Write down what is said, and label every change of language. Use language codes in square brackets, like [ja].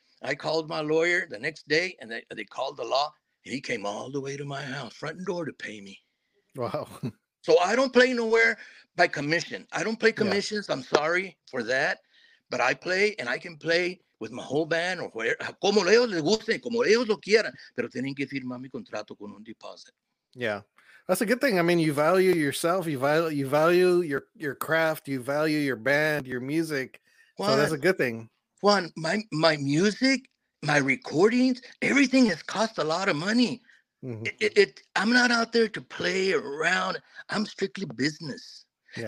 [en] I called my lawyer the next day, and they called the law. He came all the way to my house, front door, to pay me. Wow. So I don't play nowhere by commission. I don't play commissions. Yeah. I'm sorry for that. But I play, and I can play with my whole band or whatever. [es] Como ellos les guste, como ellos lo quieran. Pero tienen que firmar mi contrato con un deposit. [en] Yeah. That's a good thing. I mean, you value yourself. You value your craft. You value your band, your music. Well, so that's a good thing. Juan, my music, my recordings, everything has cost a lot of money. Mm-hmm. I'm not out there to play around. I'm strictly business. Yeah.